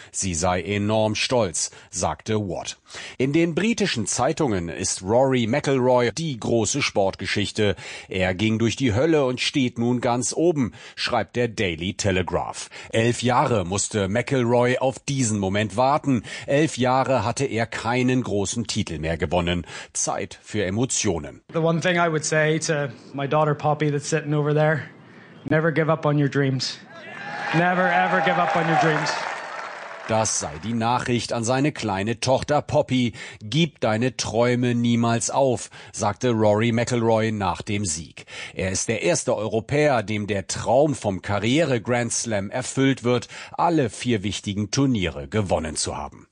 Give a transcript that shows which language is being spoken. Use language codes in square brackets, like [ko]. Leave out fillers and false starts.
[de] Sie sei enorm stolz, sagte Watt. In den britischen Zeitungen ist Rory McIlroy die große Sportgeschichte. Er ging durch die Hölle und steht nun ganz oben, schreibt der Daily Telegraph. 11 Jahre musste McIlroy auf diesen Moment warten. 11 Jahre hatte er keinen großen Titel mehr gewonnen. Zeit für Emotionen. [en] The one thing I would say to my daughter Poppy that's sitting over there, never give up on your dreams. Never ever give up on your dreams. [de] Das sei die Nachricht an seine kleine Tochter Poppy. Gib deine Träume niemals auf, sagte Rory McIlroy nach dem Sieg. Er ist der erste Europäer, dem der Traum vom Karriere-Grand Slam erfüllt wird, alle 4 wichtigen Turniere gewonnen zu haben.